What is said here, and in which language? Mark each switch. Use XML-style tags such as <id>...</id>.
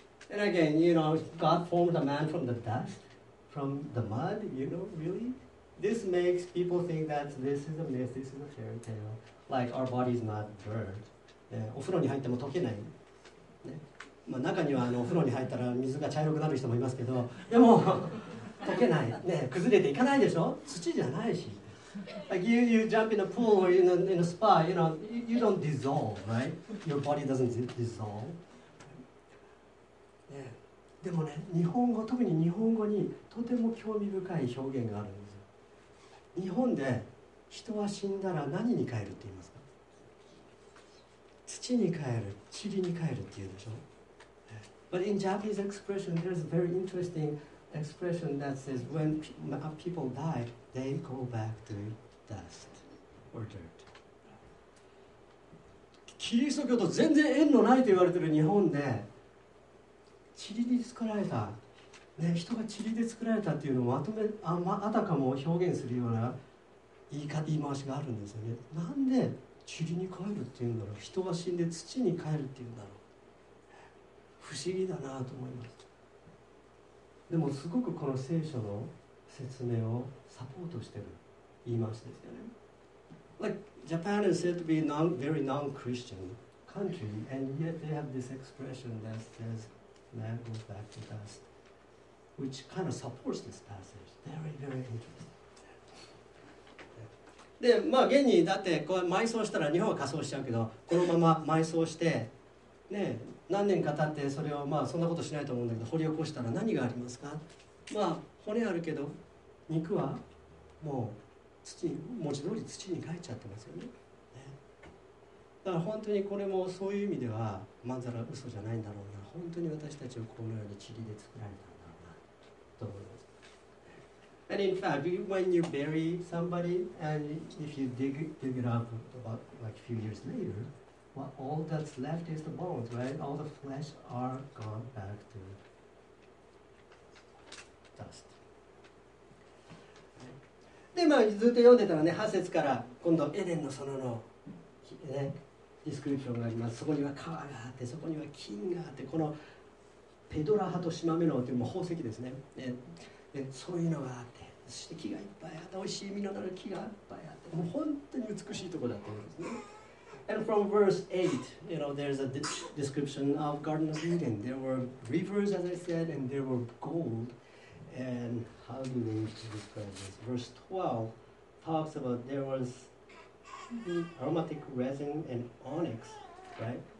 <en>And again, you know, God formed a man from the dust, from the mud, you know, really? This makes people think that this is a myth, this is a fairy tale, like our body is not dirt、</en> <ja>ね、お風呂に入っても溶けない、ね、まあ、中にはあのお風呂に入ったら水が茶色くなる人もいますけど、でも溶けない、ね、崩れていかないでしょ、土じゃないし。</ja> <en>Like you, you jump in a pool or in a spa, you know, you don't dissolve, right? Your body doesn't dissolve.、</en> <ja>ね、でもね、日本語、特に日本語にとても興味深い表現があるんですよ。日本で人は死んだら何に変えるって言いますか。土に変える、塵に変えるって言うでしょ。</ja> <en>But in Japanese expression, there's a very interesting expression that says when people die, they go back to dust or dirt.</en> <ja>キリスト教と全然縁のないと言われている日本で、塵に作られた、ね、人が塵で作られたっていうのをまとめ、あたかも表現するような言い回しがあるんですよね。なんで塵に変えるっていうんだろう、人が死んで土に変えるっていうんだろう。不思議だなと思います。でもすごくこの聖書の説明をサポートしている言い回しですよね。</ja> <en>Like Japan is said to be a very non-Christian country and yet they have this expression that says man goes back to dust which kind of supports this passage. Very, very interesting.</en> <ja>で、まあ現にだってこう埋葬したら日本は仮装しちゃうけど、このまま埋葬してね、何年か経ってそれをまあそんなことしないと思うんだけど掘り起こしたら何がありますか。まあ骨あるけど肉はもう土に文字通り土に返っちゃってますよ ね, ね。だから本当にこれもそういう意味ではまんざら嘘じゃないんだろうな、本当に私たちをこのように塵で作られたんだろうなと思います。</ja> <en>And in fact, when you bury somebody and if you dig it up about like a few years laterWell, all that's left is the bones, right? All the flesh are gone back to dust.</en> <ja>で、まあ、ずっと読んでたらね、8節から今度エデンの園の、ね、ディスクリプションがあります。そこには川があって、そこには金があって、このペドラ派とシマメノというも宝石ですね。でそういうのがあって、そして木がいっぱいあって、おいしい実のなる木がいっぱいあって、もう本当に美しいところだったんですね。</ja> <en>And from verse 8, you know, there's a description of Garden of Eden. There were rivers, as I said, and there were gold. And how do they describe this? Verse 12 talks about there was aromatic resin and onyx, right?</en>